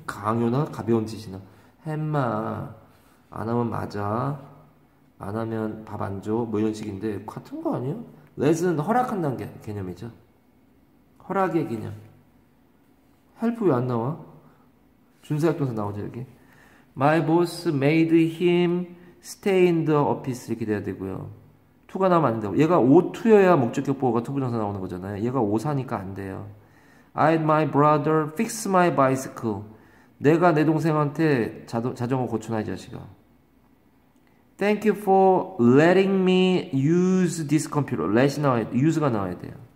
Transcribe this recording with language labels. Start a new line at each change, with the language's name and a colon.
Korean: 강요나 가벼운 지시나. 햄마. 안 하면 맞아. 안 하면 밥안 줘. 뭐 이런 식인데. 같은 거 아니야? let은 허락한다는 게 개념이죠. 허락의 개념. help 왜안 나와? 준사역동사 나오죠, 여기.
English: My boss made him stay in the office.
Korean: 이렇게 돼야 되고요. 2가 나오면 안 된다고. 얘가 O2여야 목적격 보호가 투부정사 나오는 거잖아요. 얘가 O4니까 안 돼요.
English: I had my brother fix my bicycle.
Korean: 내가 내 동생한테 자전거 고쳐놔, 이 자식아.
English: Thank you for letting me use this computer.
Korean: Let이 나와야 돼. Use가 나와야 돼요.